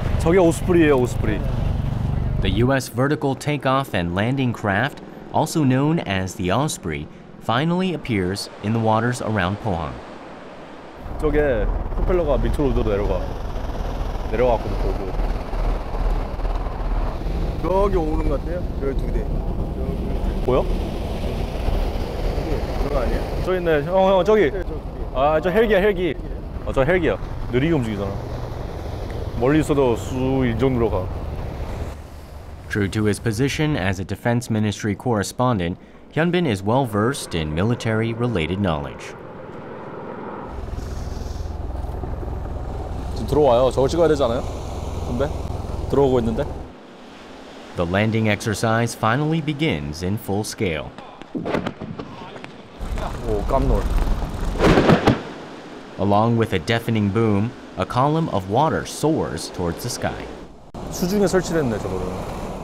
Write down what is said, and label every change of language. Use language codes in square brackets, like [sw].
[en] The U.S. vertical takeoff and landing craft, also known as the Osprey, finally appears in the waters around Pohang. [ko] 저게 프로펠러가 밑으로 내려가. 내려왔거든 보고. 저기 오는 것 같아요. 저기 두 대. 보여? 그거 아니야? 저 있네. 형, 형 저기. 아, 저 헬기야, 헬기. 아, 저 헬기야. 느리게 움직이잖아. 멀리 있어도 쑥 인정 들어가. [en] True to his position as a defense ministry correspondent, Hyun-bin is well-versed in military-related knowledge. [ko] 지금 들어와요. 저걸 찍어야 되지 않아요? 근데? 들어오고 있는데? [en] The landing exercise finally begins in full scale. [ko] 오, 깜놀. [en] Along with a deafening boom, a column of water soars towards the sky. [ko] 수중에 설치됐네, 저거는.